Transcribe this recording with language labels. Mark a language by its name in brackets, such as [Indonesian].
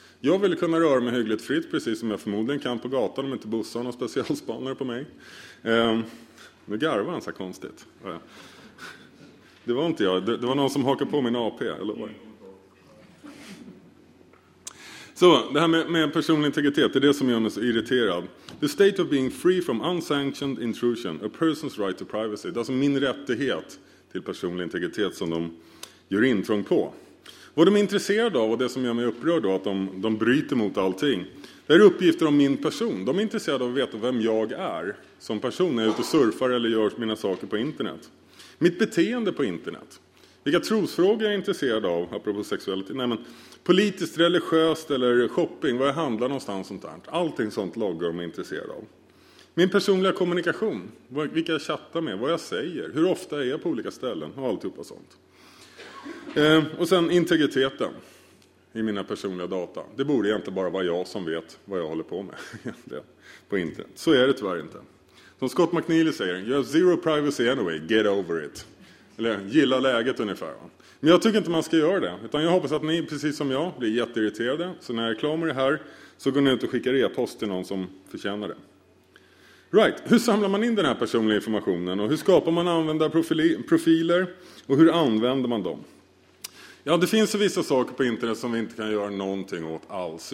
[Swedish] Jag vill kunna röra mig hyggligt fritt, precis som jag förmodligen kan på gatan om inte bussar någon specialspanare på mig. Nu garvar han så konstigt. Det var inte jag, det var någon som hakade på min AP, eller vad? Så, det här med personlig integritet, det är det som gör mig så irriterad. [English] The state of being free from unsanctioned intrusion, a person's right to privacy. [Swedish] Det är alltså min rättighet till personlig integritet som de gör intrång på. Vad de är intresserade av och det som gör mig upprörd då, att de bryter mot allting. Det är uppgifter om min person. De är intresserade av att veta vem jag är som person när jag är ute och surfar eller gör mina saker på internet. Mitt beteende på internet. Vilka trosfrågor jag är intresserad av, apropå sexualitet. Nej, men politiskt, religiöst eller shopping, vad jag handlar någonstans sånt där. Allting sånt loggar de är intresserade av. Min personliga kommunikation, vilka jag chattar med, vad jag säger, hur ofta är jag på olika ställen och alltihopa sånt. Och sen integriteten i mina personliga data. Det borde egentligen bara vara jag som vet vad jag håller på med på internet. Så är det tyvärr inte. Som Scott McNeely säger, [English] you have zero privacy anyway, get over it. [Swedish] Eller gilla läget ungefär. Men jag tycker inte man ska göra det. Utan jag hoppas att ni, precis som jag, blir jätteirriterade. Så när jag är klar med det här så går ni ut och skickar e-post till någon som förtjänar det. Right, hur samlar man in den här personliga informationen? Och hur skapar man användarprofiler? Och hur använder man dem? Ja, det finns vissa saker på internet som vi inte kan göra någonting åt alls.